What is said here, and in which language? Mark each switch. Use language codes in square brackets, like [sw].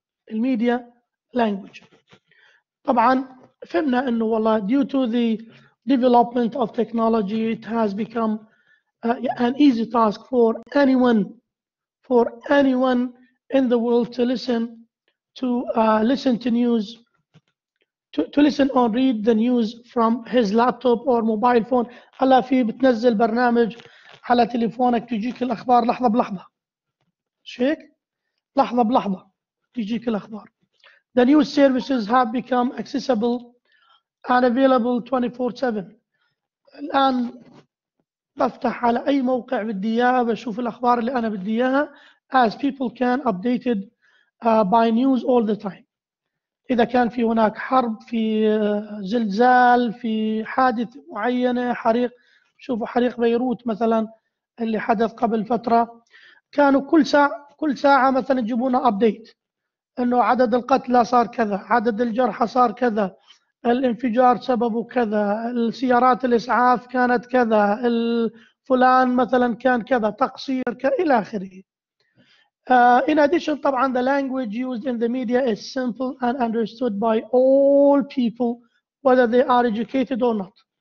[ar] الميديا لانجوج طبعا فهمنا أنه والله [en] due to the development of technology it has become an easy task for anyone in the world to listen or read the news from his laptop or mobile phone. [ar] هلا في بتنزل برنامج على تليفونك تجيك الأخبار لحظة بلحظة، شيك لحظة بلحظة تجيك الأخبار. [en] The news services have become accessible and available 24/7. [ar] الآن بفتح على أي موقع بدي إياه بشوف الأخبار اللي أنا بدي إياها. [en] As people can updated by news all the time. [ar] إذا كان في هناك حرب، في زلزال، في حادث معينة، حريق، شوفوا حريق بيروت مثلا اللي حدث قبل فترة، كانوا كل ساعة مثلا يجيبونا أبديت أنه عدد القتلى صار كذا، عدد الجرحى صار كذا، الانفجار سببه كذا، السيارات الإسعاف كانت كذا، الفلان مثلا كان كذا، تقصير إلى آخره. [en] In addition, طبعا the language used in the media is simple and understood by all people whether they are educated or not.